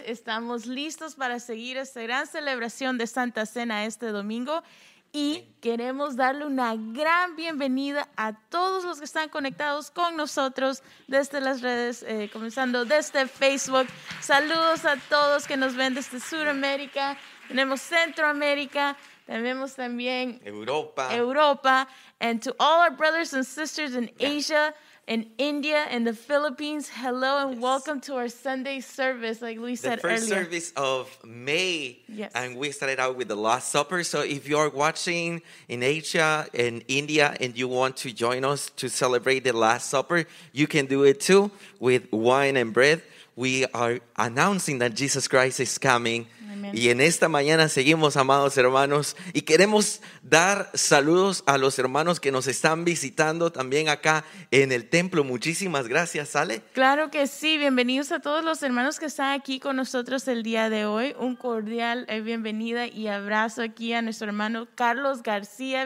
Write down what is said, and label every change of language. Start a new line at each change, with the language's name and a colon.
Spanish: Estamos listos para seguir esta gran celebración de Santa Cena este domingo y queremos darle una gran bienvenida a todos los que están conectados con nosotros desde las redes, comenzando desde Facebook. Saludos a todos que nos ven desde Sudamérica, tenemos Centroamérica. Tenemos también Europa,
English: and to all our brothers and sisters in Asia, in India, in the Philippines, hello and welcome to our Sunday service, like Luis said earlier. The first service of May, and we started out with the Last Supper, so if you are watching in Asia, in India, and you want to join us to celebrate the Last Supper, you can do it too, with wine and bread. We are announcing that Jesus Christ is coming.
Spanish: Amen. Y en esta mañana seguimos, amados hermanos. Y queremos dar saludos a los hermanos que nos están visitando también acá en el templo. Muchísimas gracias, Sale. Claro que sí. Bienvenidos a todos los hermanos que están aquí con nosotros el día de hoy. Un cordial bienvenida y abrazo aquí a nuestro hermano Carlos García.